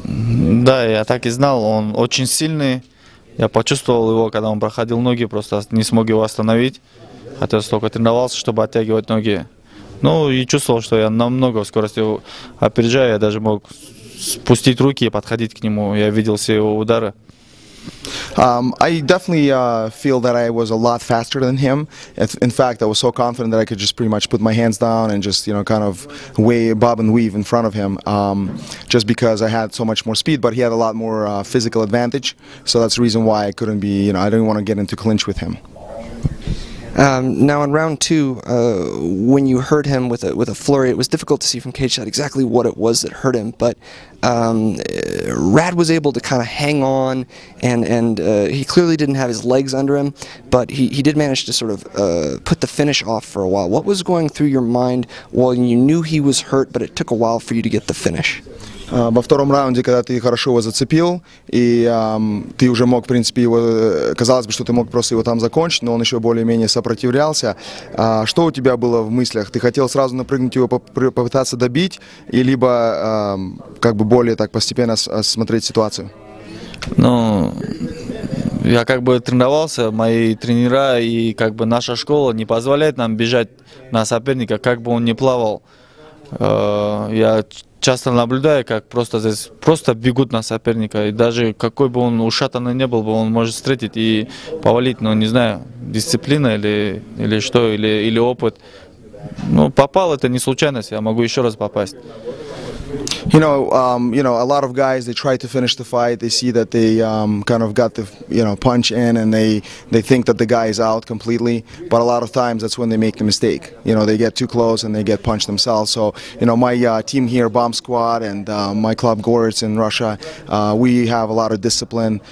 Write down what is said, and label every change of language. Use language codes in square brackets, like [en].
[ru] Да, я так и знал, он очень сильный. Я почувствовал его, когда он проходил ноги, просто не смог его остановить. Хотя столько тренировался, чтобы оттягивать ноги. Ну и чувствовал, что я намного в скорости опережаю, я даже мог спустить руки и подходить к нему, я видел все его удары. [en] I definitely feel that I was a lot faster than him. In fact, I was so confident that I could just pretty much put my hands down and just, you know, kind of bob and weave in front of him, just because I had so much more speed, but he had a lot more physical advantage, so that's the reason why I couldn't be, you know, I didn't want to get into clinch with him. Now in round two, when you hurt him with a flurry, it was difficult to see from cage side exactly what it was that hurt him. But Rad was able to kind of hang on, and he clearly didn't have his legs under him, but he did manage to sort of put the finish off for a while. What was going through your mind while you knew he was hurt, but it took a while for you to get the finish? [ru] Во втором раунде, когда ты хорошо его зацепил, и ты уже мог, в принципе, его, казалось бы, что ты мог просто его там закончить, но он еще более-менее сопротивлялся. Что у тебя было в мыслях? Ты хотел сразу напрыгнуть его, попытаться добить, и либо как бы более так постепенно смотреть ситуацию? Ну, я как бы тренировался, мои тренера и как бы наша школа не позволяет нам бежать на соперника, как бы он ни плавал. Я часто наблюдаю, как просто здесь просто бегут на соперника, и даже какой бы он ушатанный не был, он может встретить и повалить, но не знаю, дисциплина или что, или опыт. Ну, попал, это не случайность, я могу еще раз попасть. [en] You know, a lot of guys, they try to finish the fight, they see that they kind of got the, you know, punch in, and they think that the guy is out completely, but a lot of times that's when they make the mistake. You know, they get too close and they get punched themselves. So, you know, my team here, Bomb Squad, and my club Gorets in Russia, we have a lot of discipline.